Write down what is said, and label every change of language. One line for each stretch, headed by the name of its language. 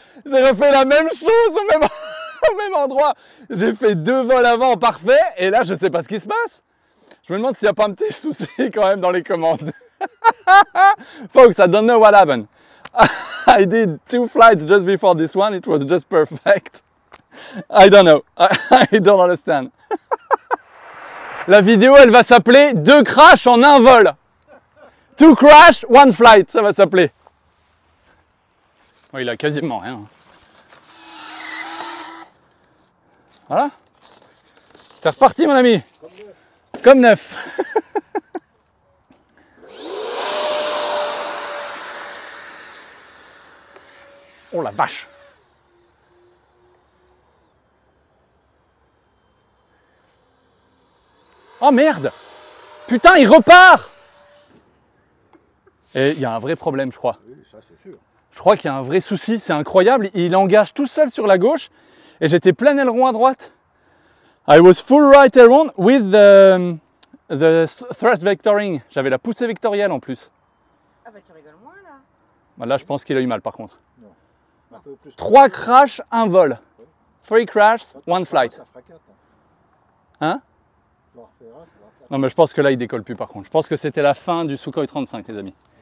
French: J'ai refait la même chose au même endroit. J'ai fait deux vols avant parfaits et là, je sais pas ce qui se passe. Je me demande s'il n'y a pas un petit souci quand même dans les commandes.
English: Folks, I don't know what happened. I did two flights just before this one. It was just perfect. I don't know. I don't understand.
French: La vidéo, elle va s'appeler deux crashs en un vol.
English: Two crash, one flight,
French: ça va s'appeler. Oh, il a quasiment rien. Voilà. C'est reparti, mon ami. Comme neuf. Comme neuf. Oh la vache! Oh merde! Putain, il repart! Et il y a un vrai problème, je crois. Oui, ça c'est sûr. Je crois qu'il y a un vrai souci, c'est incroyable. Il engage tout seul sur la gauche et j'étais plein aileron à droite.
English: I was full right aileron with the thrust vectoring.
French: J'avais la poussée vectorielle en plus. Ah bah tu rigoles moins là. Bah, là, je pense qu'il a eu mal par contre. 3 crashs, un vol.
English: 3 crashs, 1 flight.
French: Hein? Non, mais je pense que là, il décolle plus par contre. Je pense que c'était la fin du Sukhoi 35, les amis.